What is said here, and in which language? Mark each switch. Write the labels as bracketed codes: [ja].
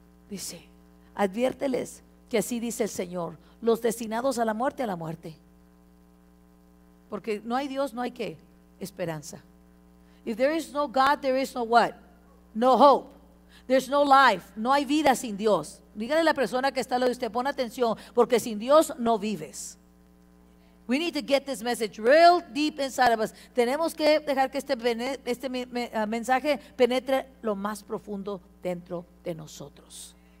[es] Dice, adviérteles que así dice el Señor, los destinados a la muerte, a la muerte. Porque no hay Dios, no hay qué, esperanza. [en] If there is no God, there is no what? No hope. There's no life, [es] no hay vida sin Dios. Dígale a la persona que está al lado de usted, pon atención, porque sin Dios no vives. [en] We need to get this message real deep inside of us. [es] Tenemos que dejar que este mensaje penetre lo más profundo dentro de nosotros.